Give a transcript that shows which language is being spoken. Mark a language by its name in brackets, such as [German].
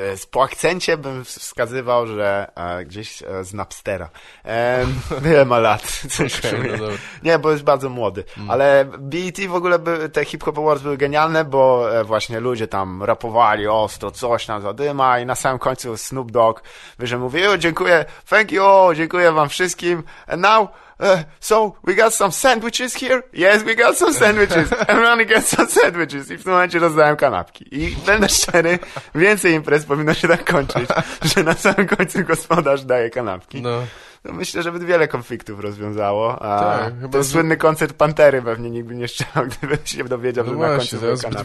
[Polish] Po akcencie bym wskazywał, że gdzieś z Napstera. Wiele ma lat. Nie, bo jest bardzo młody. Ale BET w ogóle, te Hip Hop Awards były genialne, bo właśnie ludzie tam rapowali ostro, coś tam zadyma i na samym końcu Snoop Dogg wyżej mówił, dziękuję, [English] thank you, [Polish] dziękuję wam wszystkim. [English] And now, so we got some sandwiches here? Yes, we got some sandwiches. Everyone gets some sandwiches. [Polish] I w tym momencie rozdałem kanapki. I będę szczery, więcej imprez powinno się tak kończyć, że na samym końcu gospodarz daje kanapki. No. To myślę, że by wiele konfliktów rozwiązało. Słynny koncert Pantery pewnie nikt by nie strzelał, gdyby się dowiedział, że na końcu zbyt kanapki.